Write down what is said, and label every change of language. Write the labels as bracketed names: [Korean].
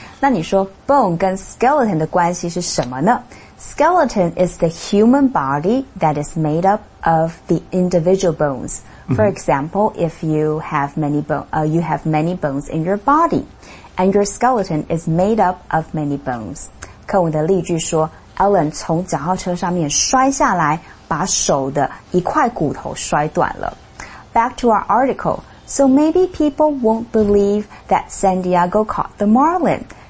[Chinese] 那你说 bone 跟 skeleton 的关系是什么呢 ? [English] skeleton is the human body that is made up of the individual bones. For example, if you have many bones in your body, and your skeleton is made up of many bones. [Chinese] 课文的例句说 ,Ellen 从脚踏车上面摔下来把手的一块骨头摔断了。 [English] Back to our article,So maybe people won't believe that San Diego caught the marlin.